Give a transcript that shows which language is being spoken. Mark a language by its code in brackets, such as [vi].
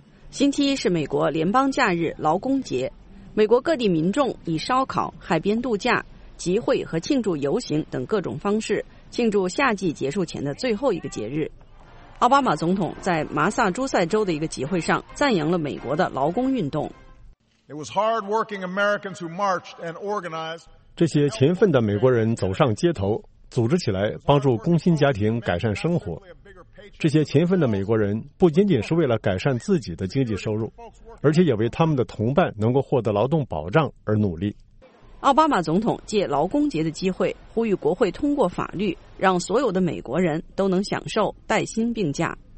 [zh] 星期一是美国联邦假日劳工节，美国各地民众以烧烤、海边度假、集会和庆祝游行等各种方式庆祝夏季结束前的最后一个节日。奥巴马总统在马萨诸塞州的一个集会上赞扬了美国的劳工运动。 [en] It was hard-working Americans who marched and organized. [zh] 这些勤奋的美国人走上街头，组织起来帮助工薪家庭改善生活。这些勤奋的美国人不仅仅是为了改善自己的经济收入，而且也为他们的同伴能够获得劳动保障而努力。奥巴马总统借劳工节的机会呼吁国会通过法律，让所有的美国人都能享受带薪病假。